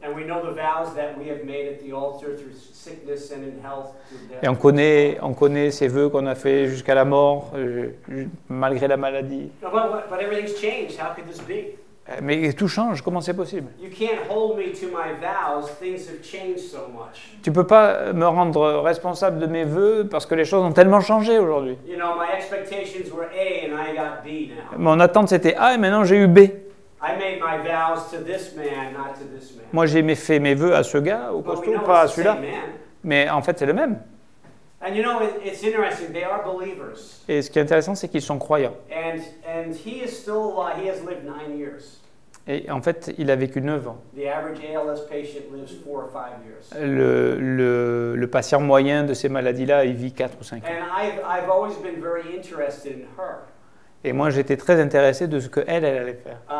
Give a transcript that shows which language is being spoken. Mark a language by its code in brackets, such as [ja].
[fr] Et on connaît ces vœux qu'on a fait jusqu'à la mort, malgré la maladie. [en] But everything's changed. How could this be? [fr] Mais tout change, comment c'est possible? [en] You can't hold me to my vows. Things have changed so much. [fr] Tu ne peux pas me rendre responsable de mes vœux parce que les choses ont tellement changé aujourd'hui. [en] You know, my expectations were A and I got B now. [fr] Mon attente c'était A et maintenant j'ai eu B. [en] I made my vows to this man, not to this man. [fr] Moi j'ai fait mes vœux à ce gars, au costaud, pas à celui-là. Mais en fait c'est le même. [en] And you know, it's interesting. They are believers. [fr] Et ce qui est intéressant, c'est qu'ils sont croyants. [en] And he is still alive. He has lived 9 years. [fr] Et en fait, il a vécu 9 ans. [en] The average ALS patient lives 4 or 5 years. [fr] Le patient moyen de ces maladies-là, il vit 4 ou 5 ans. [en] And I've always been very interested in her. [fr] Et moi, j'étais très intéressé de ce qu'elle, elle allait faire.